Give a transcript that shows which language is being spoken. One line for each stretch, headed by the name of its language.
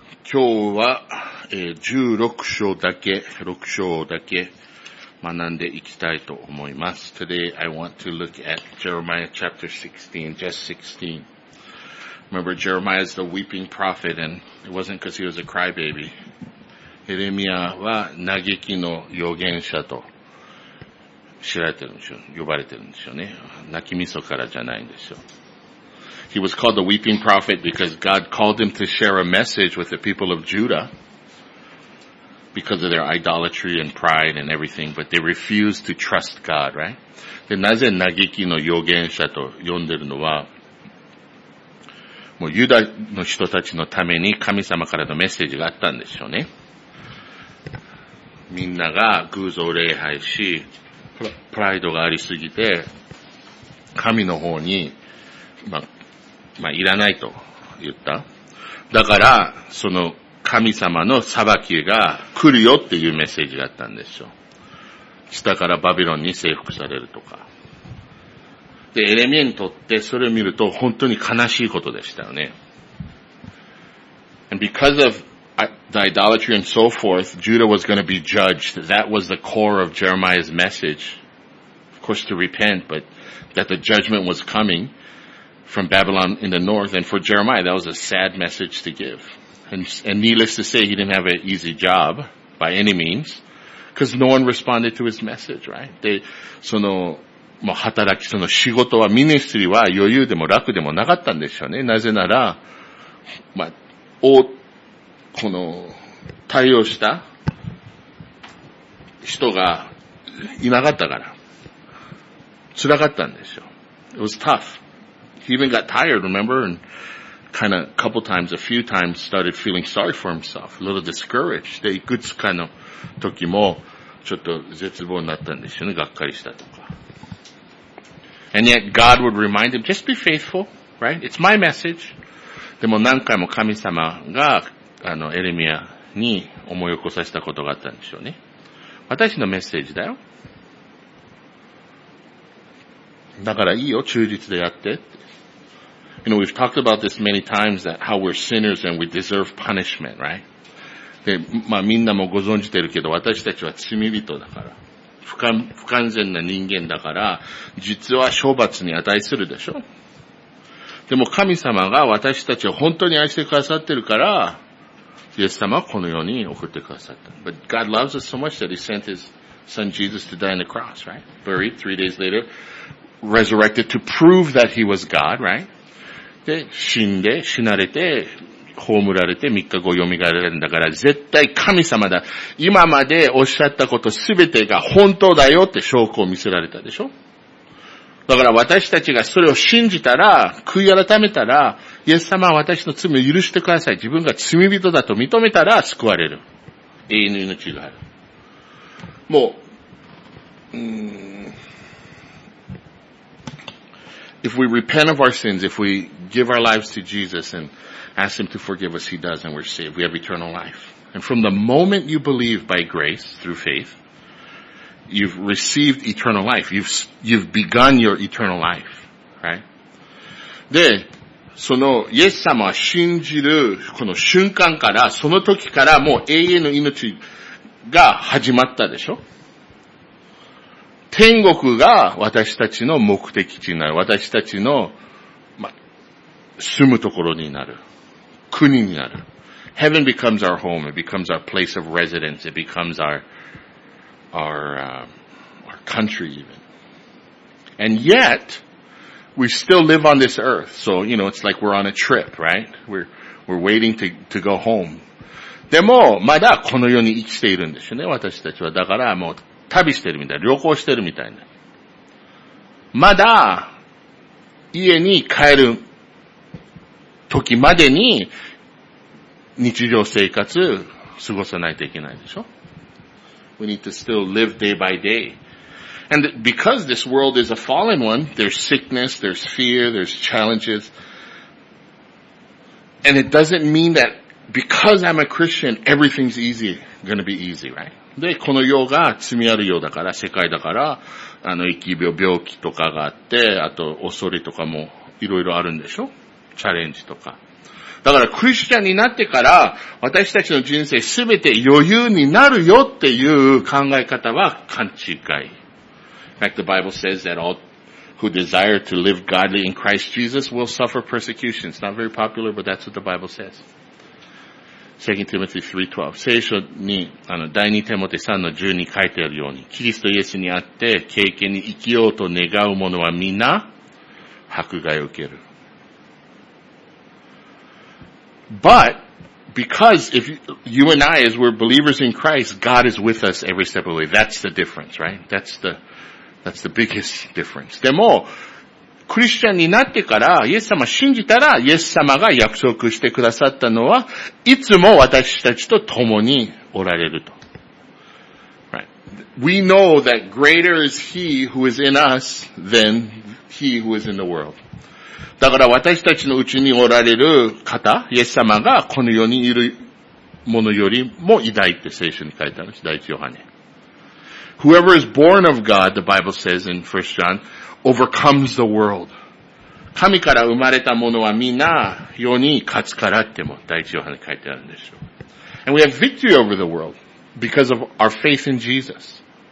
Japanese: 今日は、16章だけ、6章だけ学んでいきたいと思います。
English: Today I want to look at Jeremiah chapter 16, just 16. Remember, Jeremiah is the weeping prophet and it wasn't because he was a crybaby.
Japanese: エレミアは嘆きの預言者と知られてるんですよ。呼ばれてるんですよね。泣き味噌からじゃないんですよ。
English: He was called the weeping prophet because God called him to share a message with the people of Judah because of their idolatry and pride and everything, but they refused to trust God, right?
Japanese: で、なぜ嘆きの預言者と呼んでるのは、もうユダの人たちのために神様からのメッセージがあったんでしょうね。みんなが偶像礼拝し、プライドがありすぎて、神の方に、いらないと言った。だから、その神様の裁きが来るよっていうメッセージだったんですよ。下からバビロンに征服されるとか。で、エレミアにとってそれを見ると本当に悲しいことでしたよね。
English: And because of the idolatry and so forth, Judah was going to be judged. That was the core of Jeremiah's message. Of course, to repent, but that the judgment was coming. From Babylon in the north, and for Jeremiah, that was a sad message to give. And needless to say, he didn't have an easy job, by any means, because no one responded to his message, right? They,
Japanese: その、もう働き、その仕事は、ミニストリーは余裕でも楽でもなかったんでしょうね。なぜなら、まあ、この、対応した人がいなかったから、辛かったんですよ。
English: It was tough. He even got tired, remember, and kind of a few times started feeling sorry for himself, a little discouraged.
Japanese: で、いくつかの時もちょっと絶望になったんですよね、がっかりしたとか。
English: And yet God would remind him, just be faithful, right? It's my message.
Japanese: でも何回も神様がエレミアに思い起こさせたことがあったんでしょうね。私のメッセージだよ。だからいいよ、忠実でやって。
English: You know, we've talked about this many times that how we're sinners and we deserve punishment, right?
Japanese: で、まあみんなもご存じてるけど、私たちは罪人だから。不完全な人間だから、実は処罰に値するでしょ。でも神様が私たちを本当に愛してくださってるから、イエス様はこの世に送ってくださった。
English: But God loves us so much that He sent His Son Jesus to die on the cross, right? Buried 3 days later, resurrected to prove that He was God, right?
Japanese: で死んで死なれて葬られて3日後蘇られるんだから絶対神様だ今までおっしゃったことすべてが本当だよって証拠を見せられたでしょだから私たちがそれを信じたら悔い改めたらイエス様は私の罪を許してください自分が罪人だと認めたら救われる永遠の命があるもう、
English: If we repent of our sins, if we give our lives to Jesus and ask Him to forgive us, He does and we're saved. We have eternal life. And from the moment you believe by grace, through faith, you've received eternal life. You've begun your eternal life. Right?
Japanese: で、その、イエス様は信じるこの瞬間から、その時からもう永遠の命が始まったでしょ? 天国が私たちの目的地になる。私たちの、住むところになる。国になる。
English: Heaven becomes our home. It becomes our place of residence. It becomes our country even. And yet, we still live on this earth. So, you know, it's like we're on a trip, right? We're waiting to go home.
Japanese: でも、まだこの世に生きているんですよね、私たちは。だからもう、旅してるみたいな、旅行してるみたいな。まだ、家に帰る時までに、日常生活、過ごさないといけないでしょ ?
English: We need to still live day by day. And because this world is a fallen one, there's sickness, there's fear, there's challenges. And it doesn't mean that because I'm a Christian, everything's easy, gonna be easy, right?
Japanese: で、この世が罪ある世だから、世界だから、疫病、病気とかがあって、あと、恐れとかも、いろいろあるんでしょ?チャレンジとか。だからクリスチャンになってから私たちの人生すべて余裕になるよっていう考え方は勘違い。
English: In fact, the Bible says that all who desire to live godly in Christ Jesus will suffer persecution. It's not very popular, but that's what the Bible says. 2 Timothy 3:12.
Japanese: 聖書に、第2テモテ3の10に書いてあるように、キリストイエスにあって敬虔に生きようと願う者は皆迫害を受ける。
English: But, because if you and I, as we're believers in Christ, God is with us every step of the way. That's the difference, right? That's the biggest difference.
Japanese: でも、クリスチャンになってから、イエス様信じたら、イエス様が約束してくださったのは、いつも私たちと共におられると。
English: Right. We know that greater is He who is in us than He who is in the world.
Japanese: だから私たちのうちにおられる方、イエス様がこの世にいるものよりも偉大って聖書に書いてあるんです。第一ヨハネ。
English: Whoever is born of God, the Bible says in 1 John, overcomes the world.
Japanese: 神から生まれたものはみんな世に勝つからっても第一ヨハネ書いてあるんですよ。
English: And we have victory over the world because of our faith in Jesus.